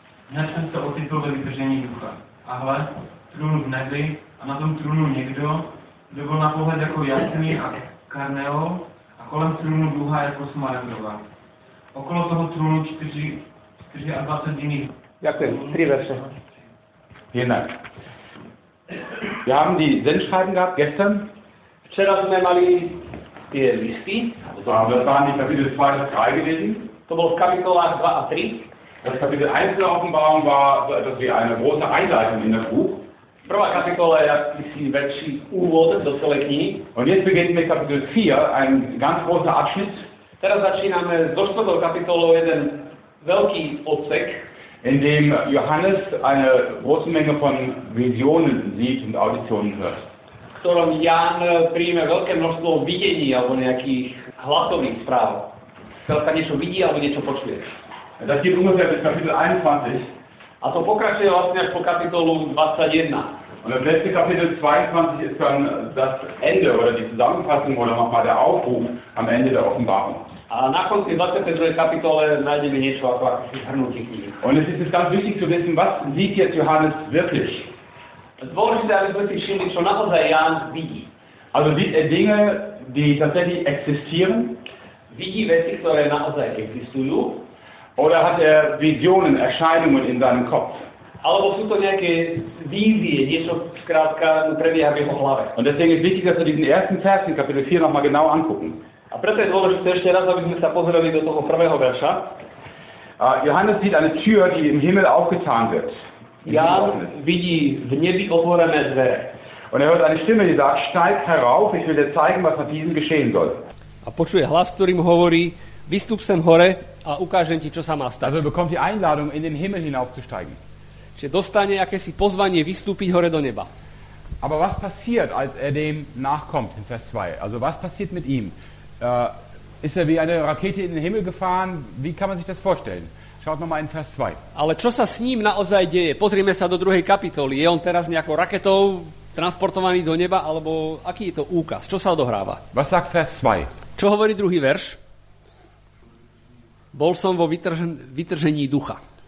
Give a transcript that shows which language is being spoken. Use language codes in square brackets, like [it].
[cs] Hned jsem se ocitl ve vytržení ducha. A hle, trůn v nebi a na tom trůnu někdo, kdo byl na pohled jako jasný a karneol a kolem trůnu duha jako smaragdová. Okolo toho trůnu 24 jiných. Děkuji, 3 verše. Jinak. [de] Wir haben die Sendschreiben gehabt gestern. [sk] Včera jsme mali tie listy. [de] Das waren die Kapitel 2 bis 3 gewesen. [sk] To bolo v kapitolách 2 a 3. [de] Das Kapitel 1 der Offenbarung war so etwas wie eine große Einleitung in das Buch. [sk] Prvá kapitola je akýsi väčší úvod do celej knihy. [de] Und jetzt beginnen wir Kapitel 4, ein ganz großer Abschnitt. [sk] Teraz začíname s 4. kapitolou jeden veľký odsek. [de] In dem Johannes eine große Menge von Visionen sieht und Auditionen hört. [sk] Ktorom Jan príjme veľké množstvo videní alebo nejakých hlasových správ. Veľká niečo vidí alebo niečo počuje. [de] Das geht ungefähr bis Kapitel 21. [sk] A to pokračuje vlastne až po kapitolu 21. [de] Und das letzte Kapitel 22 ist dann das Ende oder die Zusammenfassung oder nochmal der Aufruf am Ende der Offenbarung. [sk] A na konci 22. kapitole nájdeme niečo ako akýsi zhrnutie knihy. [de] Und es ist ganz wichtig zu wissen, was sieht jetzt Johannes wirklich? [sk] Dôležité, aby sme si všimli, čo naozaj Ján vidí. [de] Also sieht er Dinge, die tatsächlich existieren? [sk] Vidí veci, ktoré naozaj existujú? [de] Oder hat er Visionen, Erscheinungen in seinem Kopf? [sk] Alebo sú to nejaké vízie, niečo skrátka prebieha v jeho hlave. [de] Und deswegen ist wichtig, dass wir diesen ersten Vers in Kapitel 4 nochmal genau angucken. [sk] A preto je dôležité ešte raz, aby sme sa pozreli do toho prvého verša. [de] Johannes sieht eine Tür, die im Himmel aufgetan wird. [sk] Ján vidí v nebi otvorené dvere. [de] Und er hört eine Stimme, die sagt, steig herauf, ich will dir zeigen, was nad diesem geschehen soll. [sk] A počuje hlas, ktorý mu hovorí, vystup sem hore a ukážem ti, čo sa má stať. [de] Also bekommt die Einladung, in den Himmel hinaufzusteigen. [sk] Čiže dostane akési pozvanie vystúpiť hore do neba. [de] Aber was passiert, als er dem nachkommt, in Vers 2? Also was passiert mit ihm? Ist er wie eine Rakete in den Himmel gefahren? Wie kann man sich das vorstellen? Schaut noch mal in Vers 2. [sk] Ale čo sa s ním naozaj deje? Pozrime sa do druhej kapitoly. Je on teraz nejakou raketou transportovaný do neba, alebo aký je to úkaz? Čo sa odohráva? [de] Was sagt Vers 2? [sk] Čo hovorí druhý verš? Bol som vo vytržení ducha.